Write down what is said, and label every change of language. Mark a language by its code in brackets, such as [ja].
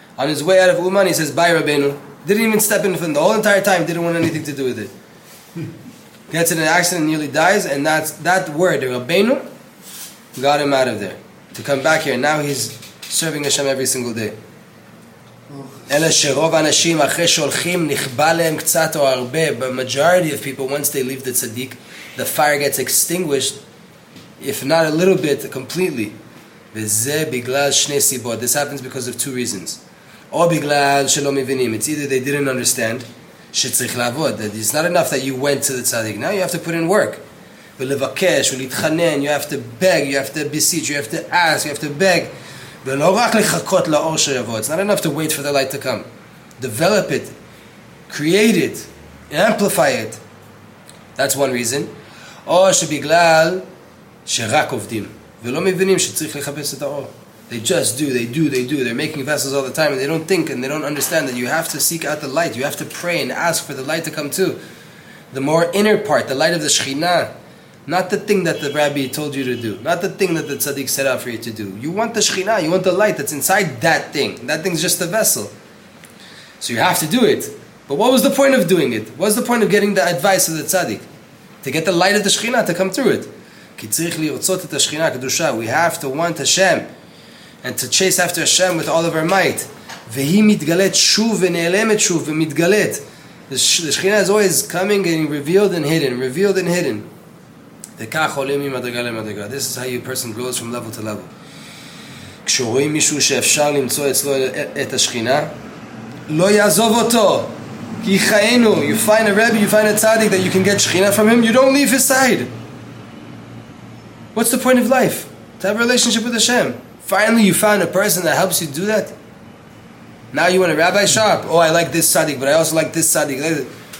[en] On his way out of Uman, he says, Bye, Rabbeinu. Didn't even step in from the whole entire time. Didn't want anything to do with it. Gets in an accident, nearly dies. And that word, Rabbeinu, got him out of there. To come back here. Now he's serving Hashem every single day. [he] אלא שרוב האנשים אחרי שהולכים נכבה להם קצת או הרבה. [en] But majority of people, once they leave the tzaddik, the fire gets extinguished. If not a little bit, completely. [he] וזה בגלל שני סיבות. [en] This happens because of two reasons. [he] או בגלל שלא מבינים. [en] It's either they didn't understand [he] שצריך לעבוד. [en] That it's not enough that you went to the tzaddik. Now you have to put in work. [he] ולבקש ולהתחנן. [en] You have to beg. You have to beseech. You have to ask. You have to beg. [he] ולא רק לחכות לאור שיבוא. [en] It's not enough to wait for the light to come. Develop it. Create it. Amplify it. That's one reason. [he] או שבגלל שרק עובדים ולא מבינים שצריך לחפש את האור. [en] They just do, they do, they do. They're making vessels all the time and they don't think and they don't understand that you have to seek out the light. You have to pray and ask for the light to come too. The more inner part, the light of the Shekhinah, not the thing that the rabbi told you to do, not the thing that the tzaddik set out for you to do. You want the Shekhinah, you want the light that's inside that thing. That thing's just a vessel. So you have to do it. But what was the point of doing it? What was the point of getting the advice of the tzaddik? To get the light of the Shekhinah to come through it. [he] כי צריך לרצות את השכינה הקדושה. [en] We have to want Hashem and to chase after Hashem with all of our might. [he] והיא מתגלית שוב ונעלמת שוב ומתגלית. [en] The Shekhinah is always coming and revealed and hidden, revealed and hidden. [he] וכך עולים ממדרגה למדרגה. [en] This is how your person grows from level to level. [he] כשרואים מישהו שאפשר למצוא אצלו את השכינה, לא יעזוב אותו. כי חיינו. [en] You find a Rebbe, you find a tzaddik that you can get Shekhinah from him, you don't leave his side. What's the point of life? To have a relationship with Hashem. Finally you found a person that helps you do that. Now you want a rabbi shop. Oh, I like this tzaddik, but I also like this tzaddik.